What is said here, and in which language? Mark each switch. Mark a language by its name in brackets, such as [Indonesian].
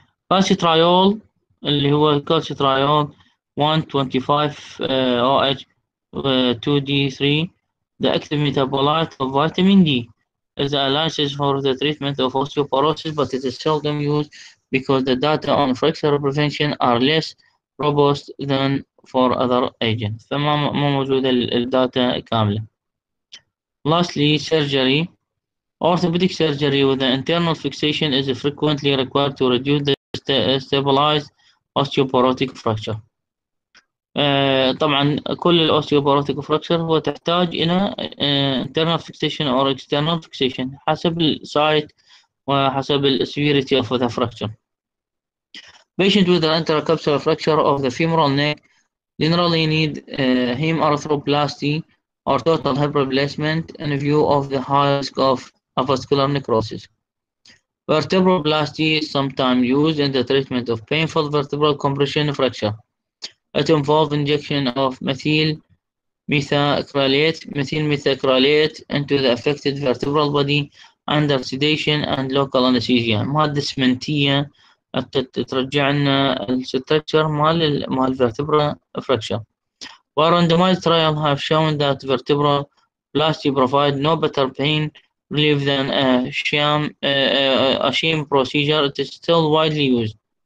[Arabic] كالسيترايول اللي هو كالسيترايول [English] 125 OH 2D3, the active metabolite of vitamin D, is a license for the treatment of osteoporosis, but it is seldom used because the data on fracture prevention are less robust than for other agents. [Arabic] فما مو موجودة الداتا كاملة. [English] Lastly, surgery. Orthopedic surgery with the internal fixation is frequently required to reduce the stabilized osteoporotic fracture. طبعا كل ال osteoporotic fracture [Arabic] هو تحتاج إلى [English] internal fixation or external fixation حسب ال site وحسب ال severity of the fracture. Patient with an intercapsular fracture of the femoral neck generally need hem arthroplasty or total hip replacement in view of the high risk of avascular necrosis. Vertebroplasty is sometimes used in the treatment of painful vertebral compression fracture. It involves injection of methylmethacrylate into the affected vertebral body under sedation and local anesthesia. [Arabic] مادة سمنتية ترجع لنا الستركتشر مال vertebral fracture. [English] While randomized trials have shown that vertebral plasty provide no better pain relief than a sham procedure, it is still widely used.